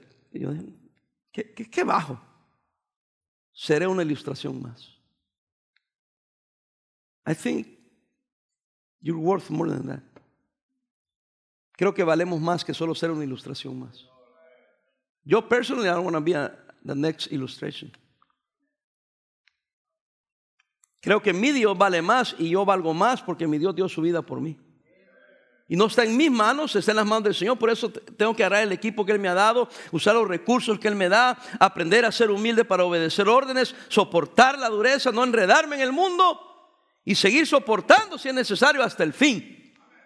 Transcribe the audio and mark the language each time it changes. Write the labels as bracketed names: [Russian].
[Spanish] Yo dije, ¿qué bajo? Seré una ilustración más. [English] I think you're worth more than that. [Spanish] Creo que valemos más que solo ser una ilustración más. [English] Yo personally, I don't want to be the next illustration. [Spanish] Creo que mi Dios vale más y yo valgo más porque mi Dios dio su vida por mí. Y no está en mis manos, está en las manos del Señor. Por eso tengo que agarrar el equipo que Él me ha dado, usar los recursos que Él me da, aprender a ser humilde para obedecer órdenes, soportar la dureza, no enredarme en el mundo y seguir soportando si es necesario hasta el fin.